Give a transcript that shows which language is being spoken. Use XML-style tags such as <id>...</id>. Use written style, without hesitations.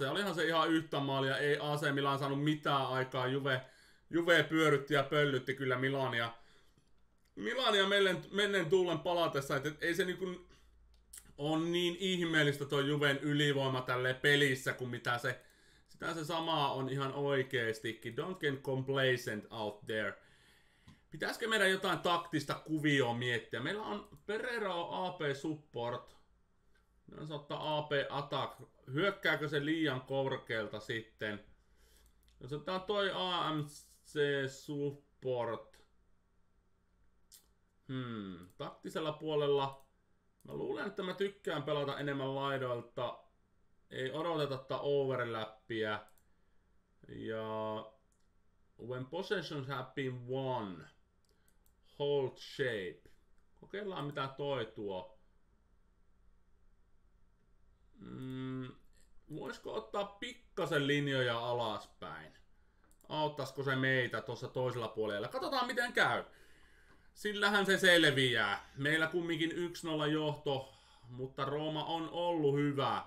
<fi>Olihan se ihan yhtä maalia. Ei AC Milan saanut mitään aikaa. Juve pyörytti ja pöllytti kyllä Milania. Milania menneen tuulen palatessa, että ei se niinku on niin ihmeellistä tuo Juven ylivoima tälle pelissä, kuin mitä se sitä se samaa on ihan oikeestikin.</fi> <en>Don't get complacent out there.</en> <fi>Pitäisikö meidän jotain taktista kuvioa miettiä? Meillä on Pereira AP support. Meidän saa ottaa AP attack. Hyökkääkö se liian korkealta sitten? Jos otetaan toi AMC support. Taktisella puolella mä luulen, että mä tykkään pelata enemmän laidoilta. Ei odoteta tätä overlappia.</fi> <en>Ja when possessions have been won, hold shape.</en> <fi>Kokeillaan mitä toi tuo. Voisiko ottaa pikkasen linjoja alaspäin? Auttaisiko se meitä tuossa toisella puolella? Katsotaan miten käy. Sillähän se selviää. Meillä kumminkin 1-0 johto, mutta Roma on ollut hyvä.</fi>